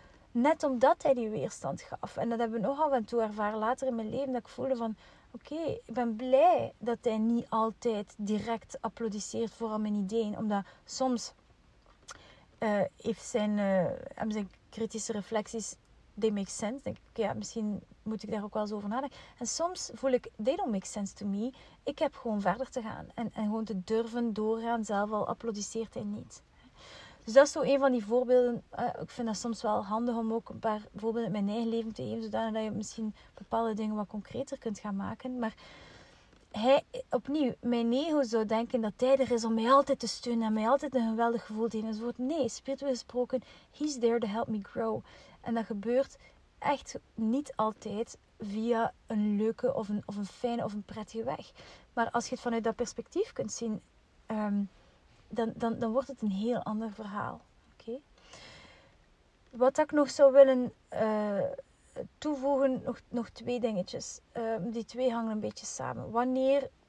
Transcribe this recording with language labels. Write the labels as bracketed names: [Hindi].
[Dutch] Net omdat hij die weerstand gaf. En dat hebben we nog af en toe ervaren later in mijn leven. Dat ik voelde van, oké, ik ben blij dat hij niet altijd direct applaudisseert voor al mijn ideeën. Omdat soms hebben zijn kritische reflecties, [English] they make sense. [Dutch] Denk ik, ja, misschien... Moet ik daar ook wel eens over nadenken. En soms voel ik, [English] they don't make sense to me. [Dutch] Ik heb gewoon verder te gaan. En gewoon te durven doorgaan. Zelf al applaudisseert hij niet. Dus dat is zo een van die voorbeelden. Ik vind dat soms wel handig om ook een paar voorbeelden in mijn eigen leven te geven. Zodat je misschien bepaalde dingen wat concreter kunt gaan maken. Maar hij, opnieuw, mijn ego zou denken dat hij er is om mij altijd te steunen. En mij altijd een geweldig gevoel te geven. Enzovoort. Nee, spiritueel gesproken, [English] he's there to help me grow. [Dutch] En dat gebeurt... Echt niet altijd via een leuke of een fijne of een prettige weg. Maar als je het vanuit dat perspectief kunt zien, dan wordt het een heel ander verhaal. Okay? Wat ik nog zou willen toevoegen, nog twee dingetjes. Die twee hangen een beetje samen. Wanneer